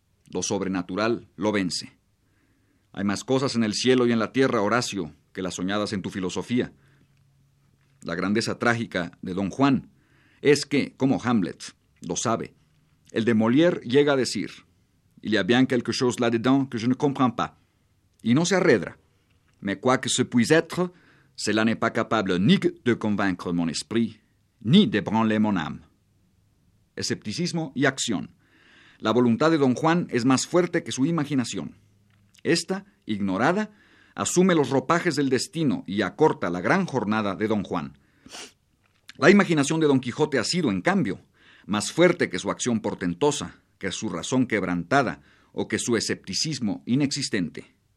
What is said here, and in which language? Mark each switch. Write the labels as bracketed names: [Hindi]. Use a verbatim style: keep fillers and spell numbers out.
[Spanish] Lo sobrenatural lo vence. Hay más cosas en el cielo y en la tierra, Horacio, que las soñadas en tu filosofía. La grandeza trágica de Don Juan es que, como Hamlet lo sabe, el de Molière llega a decir: [French] «Il y a bien quelque chose là-dedans que je ne comprends pas», [Spanish] y no se arredra. [French] Mais quoi que ce puisse être, cela n'est pas capable ni de convaincre mon esprit, ni de branler mon âme. [Spanish] Escepticismo y acción. La voluntad de Don Juan es más fuerte que su imaginación. Esta, ignorada, asume los ropajes del destino y acorta la gran jornada de Don Juan. La imaginación de Don Quijote ha sido, en cambio, más fuerte que su acción portentosa, que su razón quebrantada o que su escepticismo inexistente.